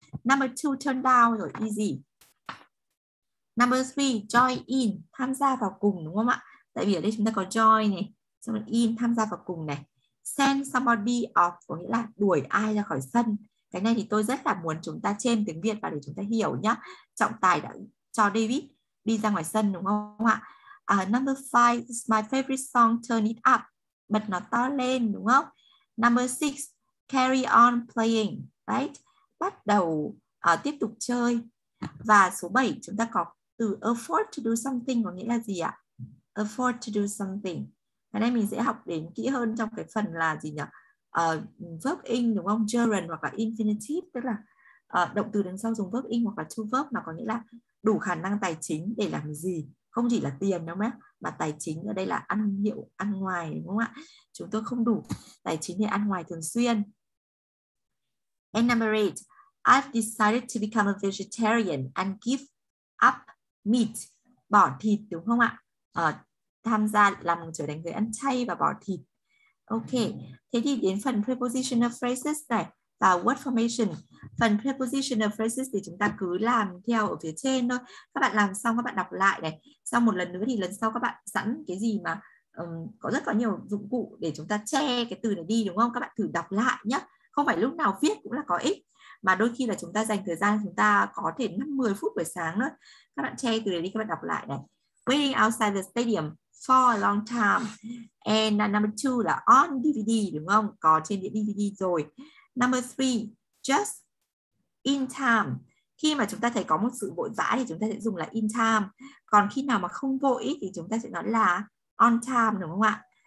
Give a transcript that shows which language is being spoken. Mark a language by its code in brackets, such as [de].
[en] Number 2, turn down, rồi easy. Number 3, join in, [vi] tham gia vào cùng, đúng không ạ? Tại vì ở đây chúng ta có join này, xong rồi in, tham gia vào cùng này. Send somebody off có nghĩa là đuổi ai ra khỏi sân. Cái này thì tôi rất là muốn chúng ta thêm tiếng Việt vào để chúng ta hiểu nhá. Trọng tài đã cho David đi ra ngoài sân, đúng không ạ? [en] Number 5, this is my favorite song, turn it up. [vi] Bật nó to lên, đúng không? [en] Number 6, carry on playing, right? [vi] Bắt đầu tiếp tục chơi. Và số 7, chúng ta có từ afford to do something có nghĩa là gì ạ? Afford to do something. Cái này mình sẽ học đến kỹ hơn trong cái phần là gì nhỉ? verb in đúng không? Gerund hoặc là infinitive, tức là động từ đằng sau dùng verb in hoặc là to verb, mà có nghĩa là đủ khả năng tài chính để làm gì, không chỉ là tiền đâu mà, tài chính ở đây là ăn hiệu, ăn ngoài đúng không ạ? Chúng tôi không đủ tài chính để ăn ngoài thường xuyên. [en] And number 8, I've decided to become a vegetarian and give up meat, [vi] bỏ thịt đúng không ạ? Tham gia làm trở thành người ăn chay và bỏ thịt. Ok, thế thì đến phần prepositional phrases này và word formation. Phần prepositional phrases thì chúng ta cứ làm theo ở phía trên thôi. Các bạn làm xong các bạn đọc lại này. Sau một lần nữa thì lần sau các bạn sẵn cái gì mà có rất có nhiều dụng cụ để chúng ta che cái từ này đi đúng không? Các bạn thử đọc lại nhé. Không phải lúc nào viết cũng là có ích, mà đôi khi là chúng ta dành thời gian, chúng ta có thể 5-10 phút buổi sáng nữa. Các bạn che từ này đi, các bạn đọc lại này. [en] Waiting outside the stadium for a long time. And number 2 [vi] là on DVD đúng không? Có trên đĩa DVD rồi. [en] Number 3, just in time. [vi] Khi mà chúng ta thấy có một sự vội vã thì chúng ta sẽ dùng là in time. Còn khi nào mà không vội thì chúng ta sẽ nói là on time đúng không ạ?